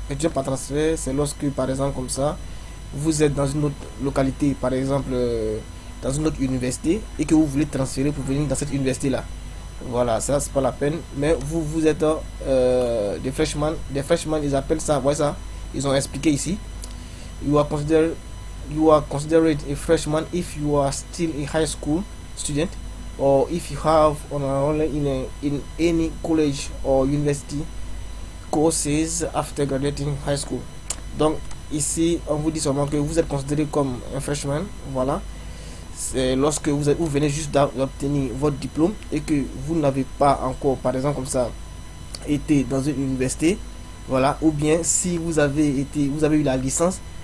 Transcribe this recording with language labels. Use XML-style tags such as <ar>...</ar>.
<fr>Étudiant par transfert, c'est lorsque, par exemple, comme ça, vous êtes dans une autre localité, par exemple. Dans une autre université et que vous voulez transférer pour venir dans cette université-là. Voilà, ça c'est pas la peine. Mais vous êtes des freshmen. Des freshmen, ils appellent ça, voyez ça, ils ont expliqué ici.</fr> <en>You are considered a freshman if you are still a high school student or if you have enrolled in any college or university courses after graduating high school.</en> <fr>Donc ici, on vous dit seulement que vous êtes considéré comme un freshman. Voilà. C'est lorsque vous venez juste d'obtenir votre diplôme et que vous n'avez pas encore, par exemple comme ça, été dans une université, voilà, ou bien si vous avez eu la licence</fr>